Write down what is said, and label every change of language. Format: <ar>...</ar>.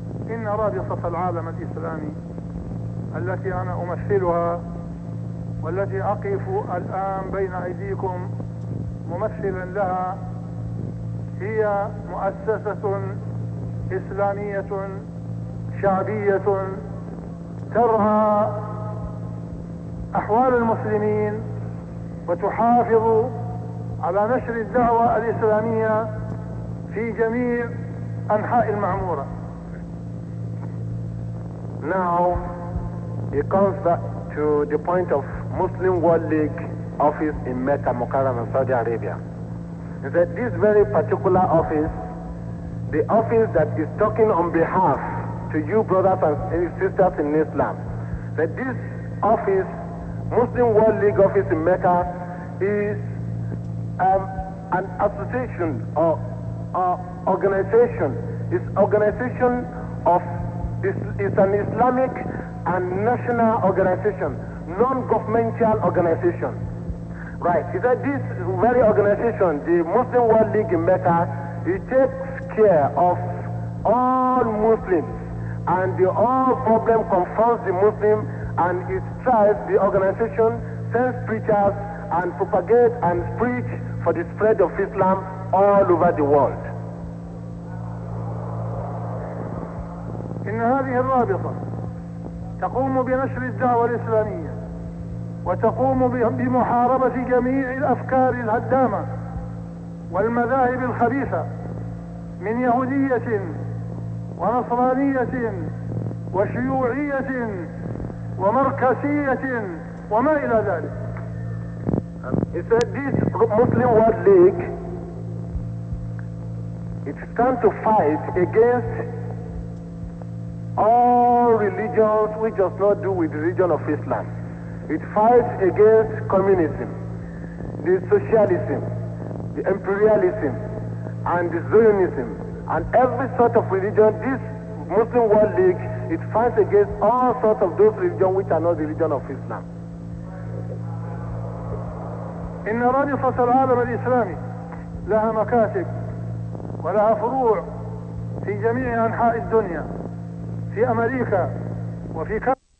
<ar>إن رادصة العالم الإسلامي التي أنا أمثلها والتي أقف الآن بين أيديكم ممثلا لها هي مؤسسة إسلامية شعبية ترعى أحوال المسلمين وتحافظ على نشر الدعوة الإسلامية في جميع أنحاء المعمورة.</ar> <en>Now, it comes back to the point of Muslim World League office in Mecca, Mukarram, Saudi Arabia. He said this very particular office, the office that is talking on behalf to you brothers and sisters in Islam, that this office, Muslim World League office in Mecca, is an association or organization. It's organization of it's an Islamic and national organization, non-governmental organization. Right. He said this very organization, the Muslim World League in Mecca, it takes care of all Muslims, and the all problem confronts the Muslim, and it tries the organization sends preachers and propagate and preach for the spread of Islam all over the world.</en> <ar>إن هذه الرابطة تقوم بنشر الدعوة الإسلامية وتقوم بمحاربة جميع الأفكار الهدامة والمذاهب الخبيثة من يهودية ونصرانية وشيوعية ومركزية وما إلى ذلك.</ar> <en>He said this Muslim World League, it's time to fight against all religions which does not do with the religion of Islam. It fights against communism, the socialism, the imperialism, and the Zionism, and every sort of religion. This Muslim World League, it fights against all sorts of those religions which are not the religion of Islam.</en> <ar>إن رابطة العالم الإسلامي لها مكاتب ولها فروع في جميع أنحاء الدنيا في أمريكا وفي كندا.</ar>